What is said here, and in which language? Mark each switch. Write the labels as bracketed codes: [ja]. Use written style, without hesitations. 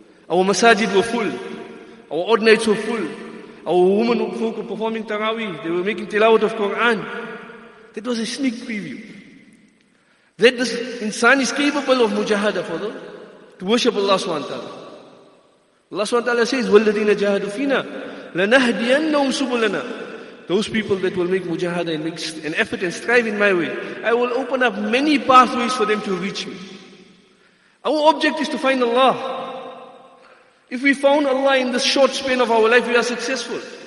[en] Our masajid were full. Our odd nights were full. Our women folk were performing Taraweeh. They were making tilawat of Quran. That was a sneak preview. That this insan is capable of mujahada for the to worship Allah SWT. Allah SWT says, [ar] وَالَّذِينَ جَاهَدُوا فِينَا لَنَهْدِيَنَّهُمْ سُبُلَنَا. [en] Those people that will make mujahada and make an effort and strive in my way, I will open up many pathways for them to reach me. Our object is to find Allah. If we found Allah in this short span of our life, we are successful.